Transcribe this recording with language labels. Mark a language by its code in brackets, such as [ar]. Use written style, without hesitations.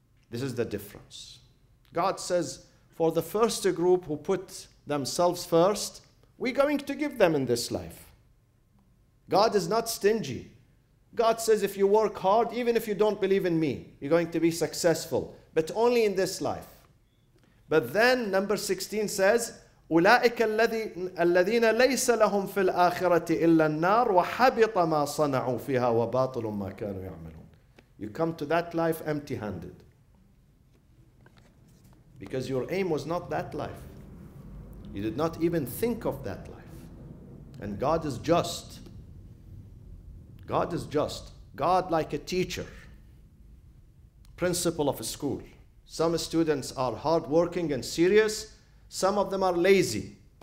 [en] This is the difference. God says, for the first group who put themselves first, we're going to give them in this life. God is not stingy. God says, if you work hard, even if you don't believe in me, you're going to be successful, but only in this life. But then number 16 says, [ar] أُولَٰئِكَ الَّذِينَ لَيْسَ لَهُمْ فِي الْآخِرَةِ إِلَّا النَّارُ وَحَبِطَ مَا صَنَعُوا فِيهَا وَبَاطِلٌ مَا كَانُوا يَعْمَلُونَ. [en] You come to that life empty-handed. Because your aim was not that life. You did not even think of that life. And God is just. God is just. God, like a teacher, principal of a school. Some students are hardworking and serious. Some of them are lazy.